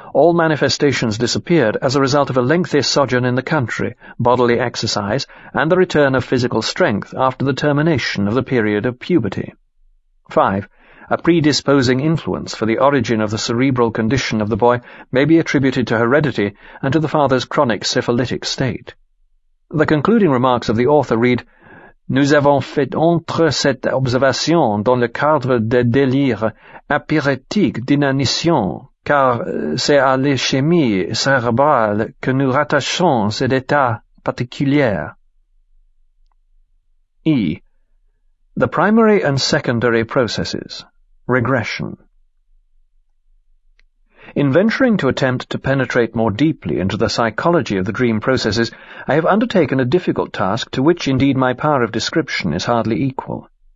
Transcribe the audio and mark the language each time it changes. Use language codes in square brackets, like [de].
[en] All manifestations disappeared as a result of a lengthy sojourn in the country, bodily exercise, and the return of physical strength after the termination of the period of puberty. 5. A predisposing influence for the origin of the cerebral condition of the boy may be attributed to heredity and to the father's chronic syphilitic state. The concluding remarks of the author read, [fr] "Nous avons fait entre cette observation dans le cadre des délires apyrétiques d'inanition, car c'est à l'ischémie cérébrale que nous rattachons cet état particulier." [en] E. The primary and secondary processes. Regression. In venturing to attempt to penetrate more deeply into the psychology of the dream processes, I have undertaken a difficult task to which indeed my power of description is hardly equal.